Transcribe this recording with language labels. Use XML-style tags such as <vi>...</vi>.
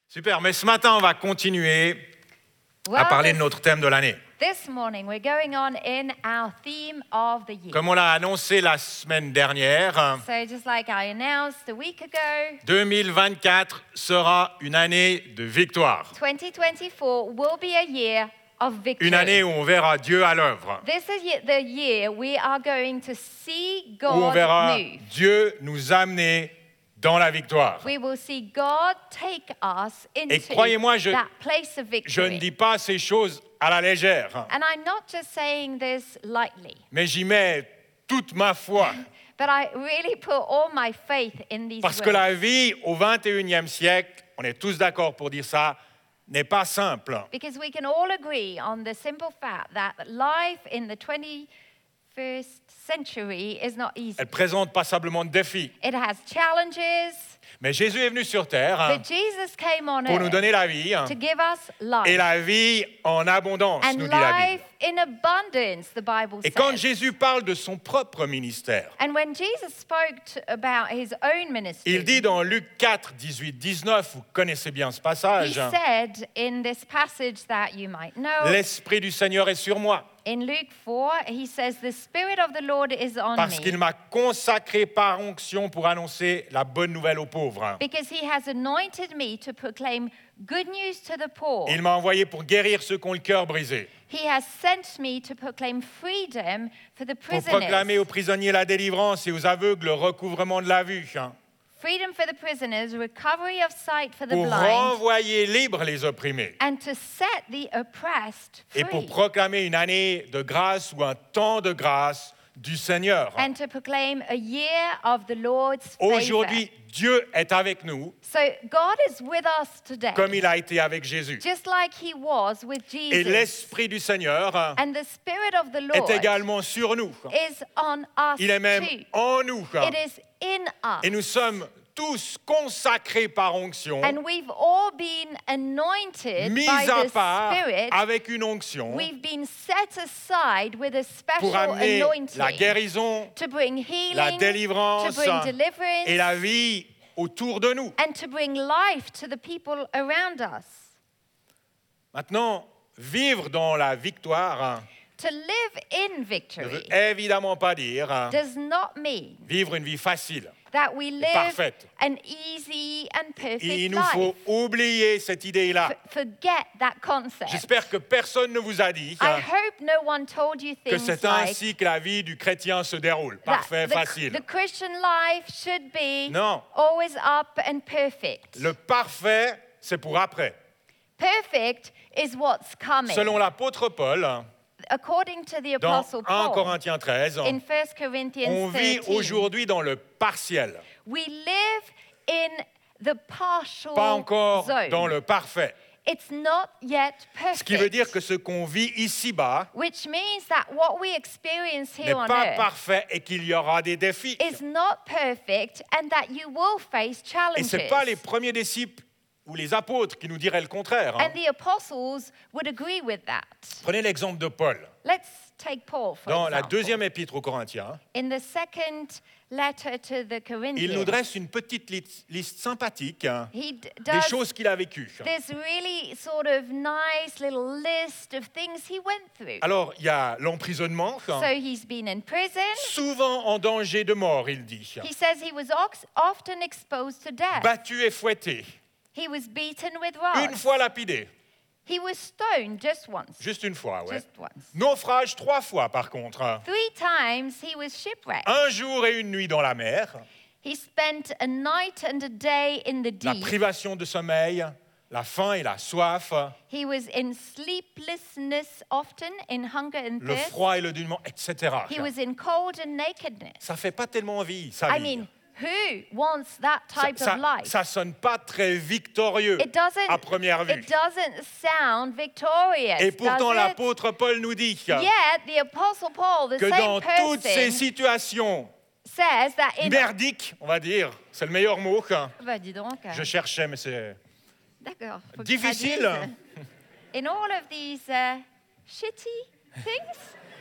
<fr>Super, mais ce matin, on va continuer à parler de notre thème de l'année.</fr> <en>This morning, we're going on in our theme of the year.</en> <fr>Comme on l'a annoncé la semaine dernière,</fr> <en>so just like I announced a week ago,</en> <fr>2024 sera une année de victoire.</fr> <en>2024 will be a year of victory.</en> <fr>Une année où on verra Dieu à l'œuvre.</fr> <en>This is the year we are going to see God move.</en> <fr>Où on verra Dieu nous amener dans la victoire.</fr> <en>We will see God take us into</en> <fr>et croyez-moi,</fr> <en>that place of victory.</en> <fr>Je ne dis pas ces choses à la légère.</fr> <en>And I'm not just saying this lightly.</en> <fr>Mais j'y mets toute ma foi.</fr> <en>But I really put all my faith in these</en> <fr>parce</fr> <en>words.</en> <fr>Que la vie au 21e siècle, on est tous d'accord pour dire ça, n'est pas simple.</fr> <en>Because we can all agree on the simple fact that life in the 21st century is not easy.</en> <fr>Elle présente passablement de défis.</fr> <en>It has challenges.</en> <fr>Mais Jésus est venu sur terre pour nous donner la vie et la vie en abondance,</fr> <en>and</en> <fr>nous dit la Bible.</fr> <en>In abundance, the Bible</en> <fr>et quand Jésus parle de son propre ministère,</fr> <en>and when Jesus spoke about his own ministry,</en> <fr>il dit dans Luc 4, 18, 19, vous connaissez bien ce passage,</fr> <en>he said in this passage that you might know,</en> <fr>l'Esprit du Seigneur est sur moi.</fr> <en>In Luke 4, he says, the Spirit of the Lord is on me.</en> <fr>Parce qu'il m'a consacré par onction pour annoncer la bonne nouvelle aux pauvres.</fr> <en>Because he has anointed me to proclaim good news to the poor.</en> <fr>Il m'a envoyé pour guérir ceux qui ont le cœur brisé.</fr> <en>He has sent me to proclaim freedom for the prisoners.</en> <fr>Pour proclamer aux prisonniers la délivrance et aux aveugles le recouvrement de la vue.</fr> <en>Freedom for the prisoners, recovery of sight for the</en> <fr>pour</fr> <en>blind.</en> <fr>Pour renvoyer libres les opprimés.</fr> <en>And to set the oppressed free.</en> <fr>Et pour proclamer une année de grâce ou un temps de grâce du Seigneur.</fr> <en>And to proclaim a year of the Lord's favor.</en> <fr>Aujourd'hui, Dieu est avec nous.</fr> <en>So God is with us today.</en> <fr>Comme il a été avec Jésus.</fr> <en>Just like he was with Jesus.</en> <fr>Et l'Esprit du Seigneur</fr> <en>and the Spirit of the Lord</en> <fr>est également sur nous.</fr> <en>Is on us</en> <fr>il est même</fr> <en>too.</en> <fr>En nous.</fr> <en>It is in us.</en> <fr>Et nous sommes tous consacrés par onction.</fr> <en>And we've all been anointed</en> <fr>mis</fr> <en>by</en> <fr>à part</fr> <en>the Spirit.</en> <fr>Avec une onction.</fr> <en>We've been set aside with a special</en> <fr>pour amener</fr> <en>anointing.</en> <fr>La guérison,</fr> <en>to bring healing,</en> <fr>la délivrance,</fr> <en>to bring deliverance,</en> <fr>et la vie autour de nous.</fr> <en>And to bring life to the people around us.</en> <fr>Maintenant, vivre dans la victoire.</fr> <en>To live in victory.</en> <fr>Ne veut évidemment pas dire.</fr> <en>Does not mean.</en> <fr>Vivre une vie facile.</fr> <en>That we live an easy and perfect life.</en> <fr>Il nous faut oublier cette idée-là.</fr> <en>Forget that concept.</en> <fr>J'espère que personne ne vous a dit que c'est ainsi que la vie du chrétien se déroule. Parfait, facile.</fr> <en>The Christian life should be</en> <fr>non.</fr> <en>Always up and perfect.</en> <fr>Le parfait, c'est pour après.</fr> <en>Perfect is what's coming.</en> <fr>Selon l'apôtre Paul,</fr> <en>according to the Apostle</en> <fr>dans Corinthiens 13,</fr> <en>in 1 Corinthians 13,</en> <fr>on vit</fr> <en>13,</en> <fr>aujourd'hui dans le partiel.</fr> <en>We live in the partial</en> <fr>pas encore</fr> <en>zone.</en> <fr>Dans le parfait.</fr> <en>It's not yet perfect.</en> <fr>Ce qui veut dire que ce qu'on vit ici-bas</fr> <en>which means that what we experience here</en> <fr>n'est</fr> <en>on</en> <fr>pas</fr> <en>earth</en> <fr>parfait et qu'il y aura des défis.</fr> <en>Is not perfect and that you will face challenges.</en> <fr>Et ce n'est pas les premiers disciples ou les apôtres qui nous diraient le contraire.</fr> <en>And the apostles would agree with that.</en> <fr>Prenez l'exemple de Paul.</fr> <en>Let's take Paul for</en> <fr>dans</fr> <en>example.</en> <fr>La deuxième épître aux Corinthiens,</fr> <en>in the second letter to the Corinthians,</en> <fr>il nous dresse une petite liste sympathique des choses qu'il a vécues.</fr> <en>This really sort of nice little list of things he went through.</en> <fr>Alors, il y a l'emprisonnement.</fr> <en>So he's been in prison.</en> <fr>Souvent en danger de mort, il dit.</fr> <en>He says he was often exposed to death.</en> <fr>Battu et fouetté.</fr> <en>He was beaten with rods.</en> <fr>Une fois lapidé.</fr> <en>He was stoned just once.</en> <fr>Juste une fois, ouais.</fr> <en>Just once.</en> <fr>Naufrage trois fois, par contre.</fr> <en>Three times he was shipwrecked.</en> <fr>Un jour et une nuit dans la mer.</fr> <en>He spent a night and a day in the deep.</en> <fr>La privation de sommeil, la faim et la soif.</fr> <en>He was in sleeplessness often, in hunger and thirst.</en> <fr>Le froid et le dénuement, etc.</fr> <en>He was in cold and nakedness.</en> <fr>Ça fait pas tellement envie, sa vie.</fr> <en>I mean, who wants that type</en> <fr>ça,</fr> <en>of life?</en> <fr>Ça sonne pas très victorieux à première vue.</fr> <en>It doesn't sound victorious.</en> <fr>Et pourtant,</fr> <en>does it?</en> <fr>L'apôtre Paul nous dit</fr> <en>yet, the Apostle Paul, the</en> <fr>que</fr> <en>same</en> <fr>dans</fr> <en>person</en> <fr>toutes ces situations</fr> <en>says that in</en> <fr>merdiques, on va dire, c'est le meilleur mot. Bah, dis donc, je cherchais, mais c'est d'accord, difficile.</fr> <en>In all of these shitty things,</en>